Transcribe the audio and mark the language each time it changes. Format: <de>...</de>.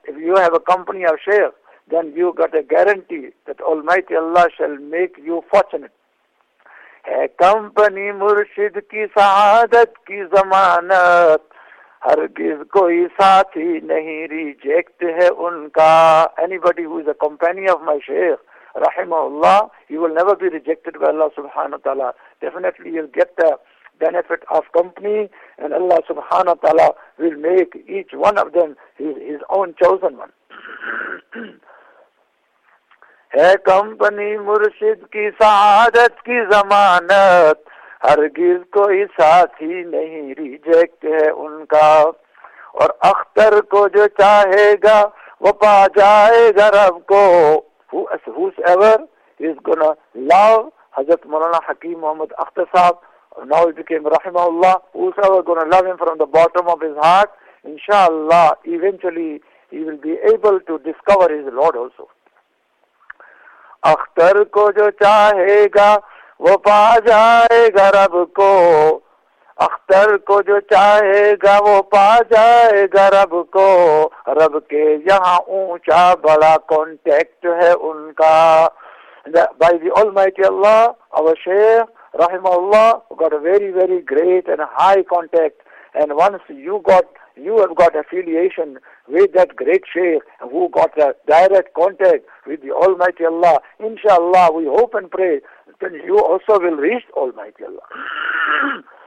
<en>If you have a company of sheikh, then you got a guarantee that almighty Allah shall make you fortunate.</en> <hi>है company मुर्शिद की सहादत की जमानत, हरगिज कोई साथी नहीं रिजेक्ट है उनका.</hi> <en>Anybody who is a companion of my Shaykh, rahimahullah, he will never be rejected by Allah subhanahu wa ta'ala. Definitely you'll get the benefit of company, and Allah subhanahu wa ta'ala will make each one of them his own chosen one.</en> <hi>है company मुर्शिद की सादत की जमानत, हरगिज कोई साथी नहीं reject है उनका. और अख्तर को जो चाहेगा वो पा जाएगा रब को.</hi> <en>Whoever is gonna love Hazrat Maulana Hakim Muhammad Akhtar Sahab, now he became Rahimahullah, whoever gonna love him from the bottom of his heart, inshallah, eventually he will be able to discover his Lord also.</en> <hi>Akhtar को जो चाहेगा वो पा जाएगा रब को. अख्तर को जो चाहेगा वो पा जाएगा रब को. रब के यहाँ ऊंचा बड़ा कॉन्टेक्ट है उनका.</hi> <en>By the Almighty Allah, our Shaykh, Rahimahullah, got a very, very great and high contact. And once you have got affiliation with that great Shaykh who got a direct contact with the Almighty Allah, inshallah, we hope and pray that you also will reach Almighty Allah.</en>